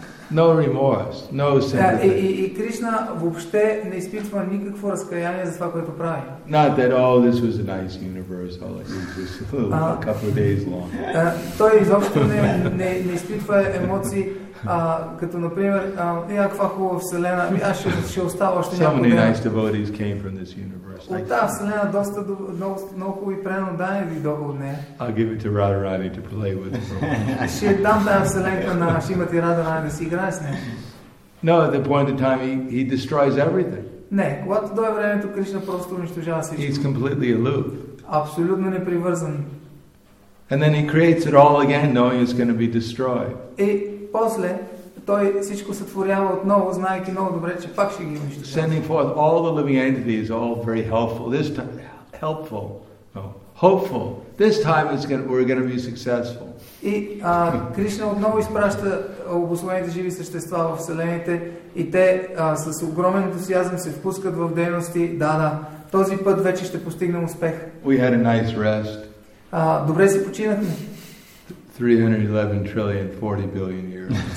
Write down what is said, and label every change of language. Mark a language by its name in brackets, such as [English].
[English] No remorse, no sympathy. [Bulgarian] И Кришна въобще не изпитва никакво разкаяние за това, което прави. [English] Not that all this was a nice universe, all it was just a couple of days long. [Bulgarian] Той изобщо не изпитва емоции, като например, каква хубава вселена, аз ще остава още някога. [English] So many nice devotees came from this universe. [Bulgarian] От тази вселена доста много хубави преданици дойдоха от нея. [English] I'll give it to Radharani to play with. [Bulgarian] Ще дам тази вселенка на Шримати Радхарани да си играе с нея. [English] No, at the point of time he destroys everything. [Bulgarian] Не, когато дойде времето, Кришна просто унищожава всичко. [English] He's completely aloof. [Bulgarian] Абсолютно непривързан. [English] And then he creates it all again, knowing it's going to be destroyed. [Bulgarian] И после той всичко сътворява отново, знаеки много добре, че пак ще ги унищожи. [English] Sending forth all the living entities, all very helpful. This time, helpful, no, hopeful. This time we're going to be successful. [Bulgarian] И Кришна отново изпраща обусловените живи същества в вселените и те с огромен ентусиазъм се впускат в дейности. Да, този път вече ще постигнем успех. [English] We had a nice rest. [Bulgarian] Добре си починахме. [English] 311 trillion 40 billion years.